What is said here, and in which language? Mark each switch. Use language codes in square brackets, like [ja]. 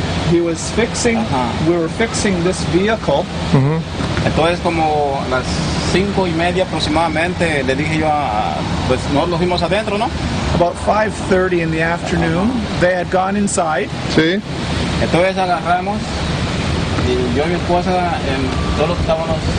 [en] He was fixing, we were fixing this vehicle. [es] Entonces como las 5:30 aproximadamente le dije yo, pues no lo fuimos adentro, ¿no? [en] About 5:30 in the afternoon, they had gone inside. [es] Sí. Entonces agarramos, y yo y mi esposa, todos estábamos...